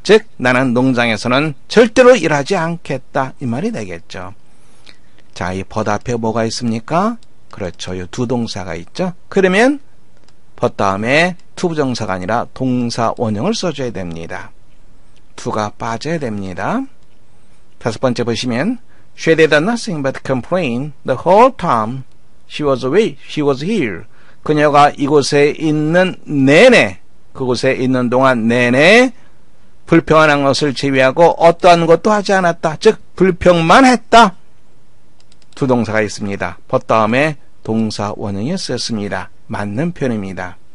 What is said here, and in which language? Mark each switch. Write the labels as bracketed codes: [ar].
[ko] 즉 나는 농장에서는 절대로 일하지 않겠다. 이 말이 되겠죠. 자, 이 벗 앞에 뭐가 있습니까? 그렇죠. 이 두 동사가 있죠. 그러면 벗 다음에 to 부정사가 아니라 동사 원형을 써줘야 됩니다. to가 빠져야 됩니다. 다섯 번째 보시면 [en] She did nothing but complain the whole time she was away, she was here. [ko] 그녀가 이곳에 있는 내내, 그곳에 있는 동안 내내 불평하는 것을 제외하고 어떠한 것도 하지 않았다. 즉, 불평만 했다. 두 동사가 있습니다. 벗 다음에 동사 원형이 쓰였습니다. 맞는 표현입니다.